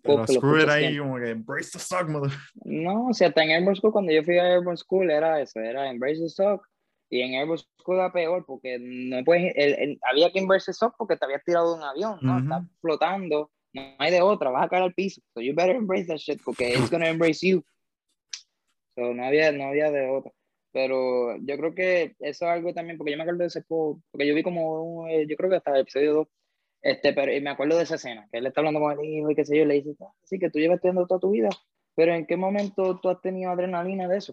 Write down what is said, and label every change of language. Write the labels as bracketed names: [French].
[Spanish] poco pero [English] screw it [Spanish] ahí, como que [English] embrace the suck, mother. [Spanish] No, o sea, hasta en Airborne School, cuando yo fui a Airborne School, era eso, era [English] embrace the suck. [Spanish] Y en Airborne School era peor, porque no puedes, había que [English] embrace the suck [Spanish] porque te habías tirado de un avión, ¿no? Mm-hmm. Estás flotando. No hay de otra, vas a caer al piso. [English] So you better embrace that shit, [Spanish] porque [English] it's gonna embrace you. So [Spanish] no había de otra. Pero yo creo que eso es algo también, porque yo me acuerdo de ese juego, porque yo vi como, yo creo que hasta el episodio 2, pero y me acuerdo de esa escena, que él está hablando con el hijo y qué sé yo, y le dice, sí, que tú llevas estudiando toda tu vida, pero ¿en qué momento tú has tenido adrenalina de eso?